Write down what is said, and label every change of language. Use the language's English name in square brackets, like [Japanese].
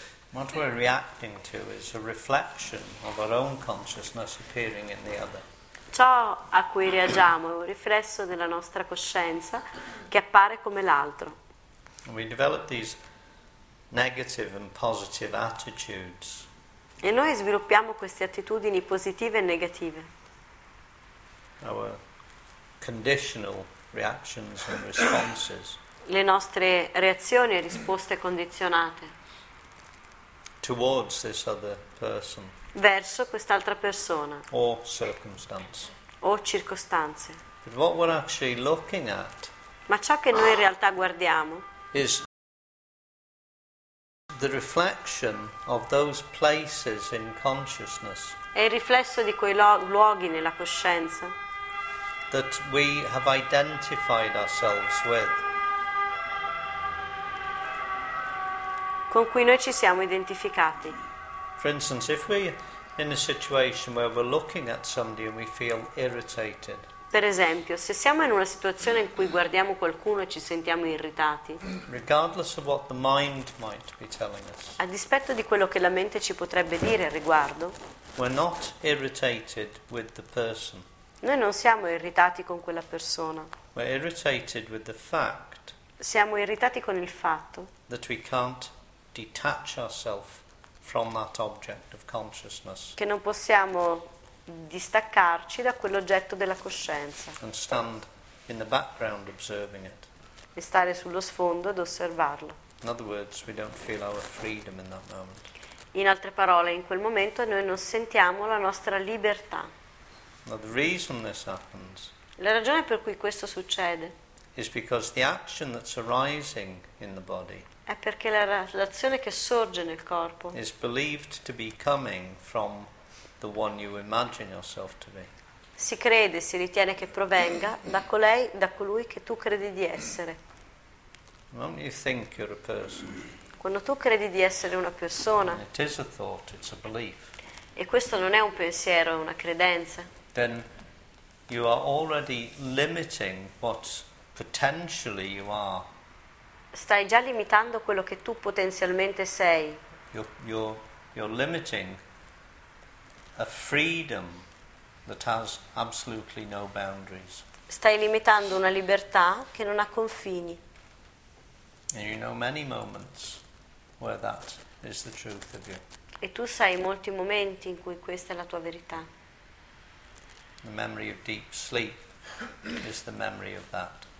[English] what we're reacting to is a reflection of our own consciousness appearing in the other. [Italian] Ciò a cui reagiamo è un riflesso della nostra coscienza che appare come l'altro. [English] And we develop these negative and positive attitudes. [Italian] E noi sviluppiamo queste attitudini positive e negative. [English] Our conditional reactions and responses. [Italian] Le nostre reazioni e risposte condizionate. [English] Towards this other person. [Italian] Verso quest'altra persona. [English] Or circumstance. [Italian] O circostanze. [English] But what we're actually looking at. [Italian] Ma ciò che noi in realtà guardiamo. [English] Is the reflection of those places in consciousness. [Italian] È il riflesso di quei luoghi nella coscienza. [English] That we have identified ourselves with. [Italian] Con cui noi ci siamo identificati. [English] For instance, if we in a situation where we're looking at somebody and we feel irritated. [Italian] Per esempio, se siamo in una situazione in cui guardiamo qualcuno e ci sentiamo irritati. [English] Regardless of what the mind might be telling us. [Italian] A dispetto di quello che la mente ci potrebbe dire al riguardo. [English] We're not irritated with the person. [Italian] Noi non siamo irritati con quella persona. [English] We're irritated with the fact. [Italian] Siamo irritati con il fatto. [English] That we can't detach ourselves from that object of consciousness. [Italian] Che non possiamo distaccarci da quell'oggetto della coscienza. [English] And stand in the background observing it. [Italian] E stare sullo sfondo ad osservarlo. [English] In other words, we don't feel our freedom in that moment. [Italian] In altre parole, in quel momento noi non sentiamo la nostra libertà. [English] Now the reason this happens. [Italian] La ragione per cui questo succede. [English] Is because the action that's arising in the body. [Italian] È perché l'azione che sorge nel corpo. [English] Is believed to be coming from the one you imagine yourself to be. [Italian] Si crede, si ritiene che provenga da colui che tu credi di essere. [English] When you think you're a person. [Italian] Quando tu credi di essere una persona. [English] It is a thought, it's a belief. [Italian] E questo non è un pensiero, è una credenza. [English] Then you are already limiting what potentially you are. [Italian] Stai già limitando quello che tu potenzialmente sei. [English] You're limiting a freedom that has absolutely no boundaries. [Italian] Stai limitando una libertà che non ha confini. [English] And you know many moments where that is the truth of you. [Italian] E tu sai molti momenti in cui questa è la tua verità. [English] The memory of deep sleep is the memory of that.